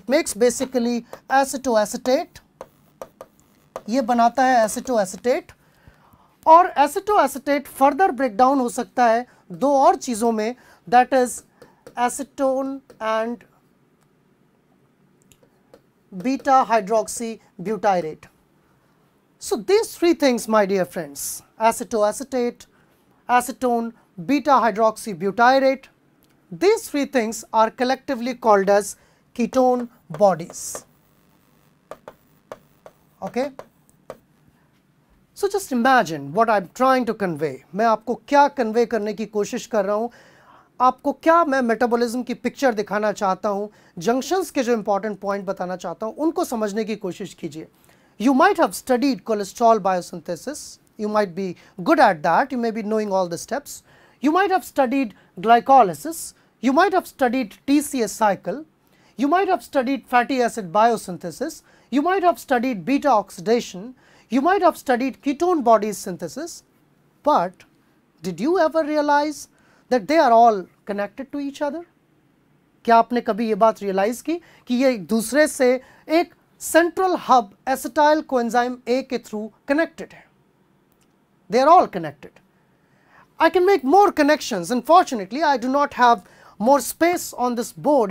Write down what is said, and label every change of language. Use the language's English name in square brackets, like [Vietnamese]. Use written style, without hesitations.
[English] It makes basically acetoacetate. [Hindi] ये बनाता है एसिटोएसिटेट और एसिटोएसिटेट फर्दर ब्रेक डाउन हो सकता है दो और चीज़ों में [English] That is acetone and beta hydroxybutyrate. So these three things, my dear friends, acetoacetate, acetone, beta hydroxybutyrate, these three things are collectively called as ketone bodies. Okay? So just imagine what I'm trying to convey. [Hindi] मैं आपको क्या convey करने की कोशिश कर रहा हूँ. आपको क्या मैं metabolism की picture दिखाना चाहता हूँ. Junctions के जो important point बताना चाहता हूँ उनको समझने की कोशिश कीजिए. [English] You might have studied cholesterol biosynthesis. You might be good at that. You may be knowing all the steps. You might have studied glycolysis. You might have studied TCS cycle. You might have studied fatty acid biosynthesis. You might have studied beta oxidation. You might have studied ketone body synthesis. But did you ever realize that they are all connected to each other? [Hindi] क्या आपने कभी ये बात realize की कि ये एक दूसरे से एक central hub acetyl coenzyme A के थ्रू कनेक्टेड है. [English] They are all connected. I can make more connections. Unfortunately I do not have more space on this board.